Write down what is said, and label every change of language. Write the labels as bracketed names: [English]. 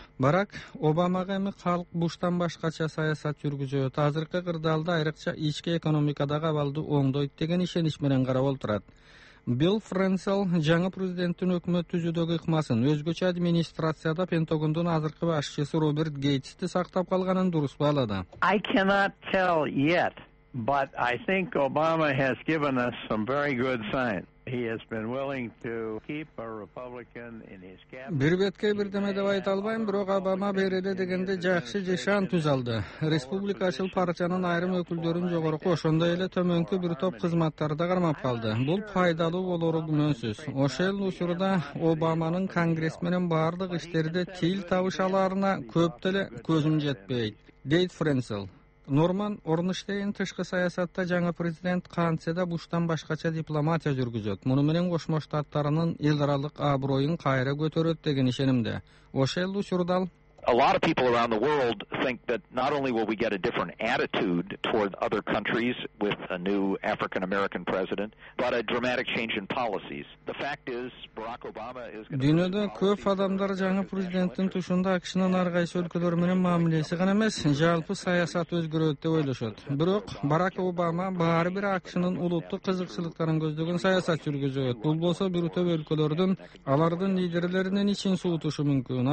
[Kyrgyz] Барак Обамага эми калк Буштан башкача саясат жүргүзөт, азыркы кырдаалда айрыкча ички экономикадагы абалды оңдойт деген ишенич менен карап олтурат. Билл Фрэнсел жаңы президенттин өкмөт түзүүдөгү ыкмасын өзгөчө администрацияда Пентагондун азыркы башчысы Роберт Гейтсти сактап калганын дурус баалады. [English] I cannot tell yet, but I think Obama has given us some very good signs. He has been willing to keep a Republican in his cabinet. [Kyrgyz] Бир беткей бир деме деп айта албайм, бирок Обама береле дегенде жакшы жашан түз алды. Республикачыл партиянын айрым өкүлдөрүн жогорку, ошондой эле төмөнкү бир топ кызматтарды кармап калды. Бул пайдалуу болору күмөнсүз. Ошол учурда Обаманын конгресс менен бардык иштерде тил табышаларына көп деле көзүм жетпейт. Дейт Фрэнсел. Норман Орнштейн тышкы саясатта жаңы президент кантсе да Буштан башкача дипломатия жүргүзөт. Муну менен Кошмо Штаттарынын элдаралык аброюн кайра көтөрөт деген ишенимде. Ошол учурда [English] a lot of people around the world think that not only will we get a different attitude toward other countries with a new African American president, but a dramatic change in policies. The fact is, Barack Obama is going to [Kyrgyz] Дүйнөдө көп адамдар жаңы президенттин тушунда акшынын ар кайсы өлкөлөр менен мамилеси гана эмес, жалпы саясат өзгөрөт деп ойлошот. Бирок Барак Обама баары бир акшынын улуттук кызыкчылыктарын көздөгөн саясат жүргүзөт. Бул болсо бир топ өлкөлөрдүн алардын лидерлеринин ичин суутушу мүмкүн.